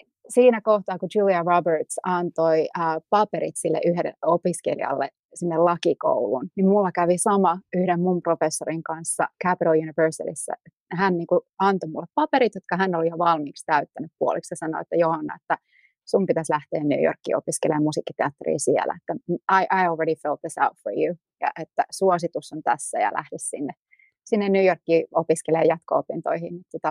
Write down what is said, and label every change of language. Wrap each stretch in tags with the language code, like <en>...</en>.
<fi>Siinä kohtaa, kun Julia Roberts antoi paperit sille yhden opiskelijalle sinne lakikouluun, niin mulla kävi sama yhden mun professorin kanssa Capital Universityssä. Hän niin kuin antoi mulle paperit, jotka hän oli jo valmiiksi täyttänyt puoliksi ja sanoi, että Johanna, että sun pitäisi lähteä New Yorkiin opiskelemaan musiikkiteatteria siellä.</fi> <en>Että I already filled this out for you.</en> <fi>Ja että suositus on tässä ja lähde sinne New Yorkiin opiskelemaan jatko-opintoihin.</fi>